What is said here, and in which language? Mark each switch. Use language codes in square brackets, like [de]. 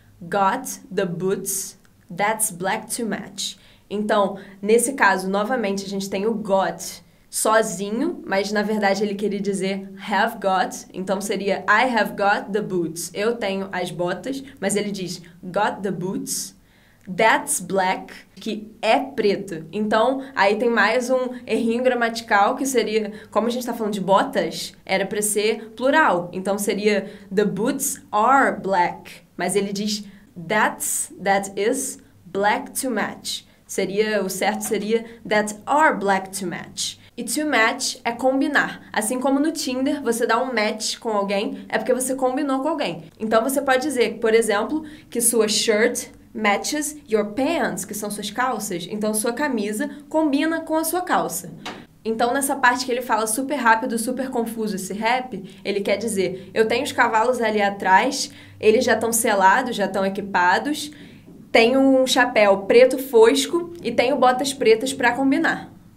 [en] Got the boots, that's black to match. [pt] Então, nesse caso, novamente, a gente tem o got sozinho, mas na verdade ele queria dizer have got, então seria [en] I have got the boots, [pt] eu tenho as botas, mas ele diz [en] got the boots, that's black, [pt] que é preto. Então, aí tem mais um errinho gramatical, que seria, como a gente está falando de botas, era para ser plural, então seria [en] the boots are black, [pt] mas ele diz [en] that is black to match. [pt] Seria, o certo seria, [en] that are black to match. [pt] E to match é combinar. Assim como no Tinder, você dá um match com alguém, é porque você combinou com alguém. Então você pode dizer, por exemplo, que sua [en] shirt matches your pants, [pt] que são suas calças. Então sua camisa combina com a sua calça. Então nessa parte que ele fala super rápido, super confuso esse rap, ele quer dizer, eu tenho os cavalos ali atrás, eles já estão selados, já estão equipados, tenho um chapéu preto fosco e tenho botas pretas para combinar.